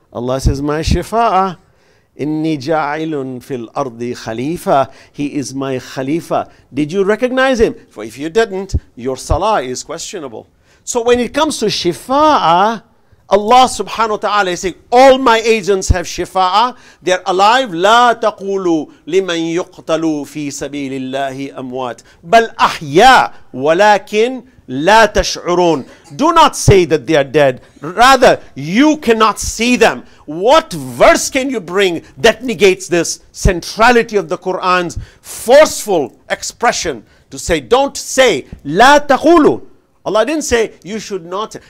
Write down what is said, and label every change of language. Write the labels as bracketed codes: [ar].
[en] Allah says, my shifa'a, [ar] inni ja'ilun fil ardi khalifa. [en] He is my khalifa. Did you recognize him? For if you didn't, your salah is questionable. So when it comes to shifa'a, Allah subhanahu wa ta'ala is saying, all my agents have shifa'a, they're alive. [ar] لا تقولوا لمن يقتلوا في سبيل الله أموات بل أحيا ولكن لا تشعرون. [en] Do not say that they are dead. Rather, you cannot see them. What verse can you bring that negates this centrality of the Quran's forceful expression to say, don't say, [ar] لا تقولوا. [en] Allah didn't say, you should not say.